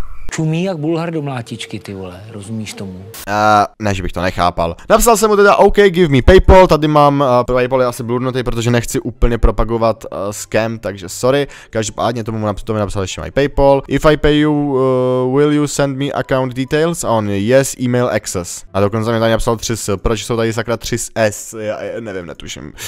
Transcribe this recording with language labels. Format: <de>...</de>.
<cs>Čumí jak bulhar do mlátičky, ty vole, rozumíš tomu? Ne, že bych to nechápal. Napsal jsem mu teda</cs> <en>OK, give me PayPal,</en> <cs>tady mám, PayPal je asi blurnutý, protože nechci úplně propagovat scam, takže sorry. Každopádně tomu to mi napsal ještě my PayPal.</cs> <en>If I pay you, will you send me account details? On yes, email access.</en> <cs>A dokonce mi tady napsal 3S, proč jsou tady sakra 3S, já nevím, netuším.</cs>